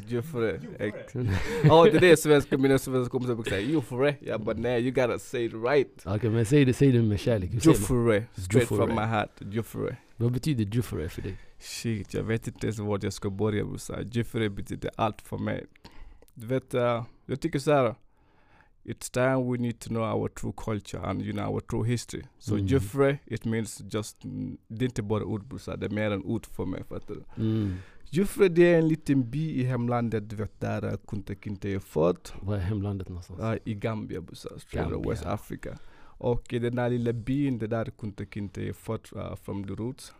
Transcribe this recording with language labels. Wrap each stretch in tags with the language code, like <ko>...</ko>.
<sv>Jufure. Ja, oh, det är svenska. Mina svenska kompisar brukar säga Jufure.</sv> <en>Ja, but nej, you gotta say it right.</en> <sv>Okej, okay, men säg det med kärlek.</sv> <en>Jufure. Straight Jufure. From my heart. Jufure.</en> <sv>Vad betyder Jufure för dig? Shit, jag vet inte ens vad jag ska börja, Bussan. Jufure betyder allt för mig. Du vet, jag tycker så här.</sv> <en>It's time we need to know our true culture and you know our true history. So Jufure, it means just</en> <sv>det är inte bara ord, brorsa, det är mer än ord för mig, fattar du. Jufure, det är en liten by i hemlandet, du vet, där kunde jag fått. Vad är hemlandet någonstans? I Gambia, brorsa,</sv> <en>straight away West Africa.</en> <sv>Och den där lilla byn, det där kunde inte jag fått</sv> <en>from the roots.</en>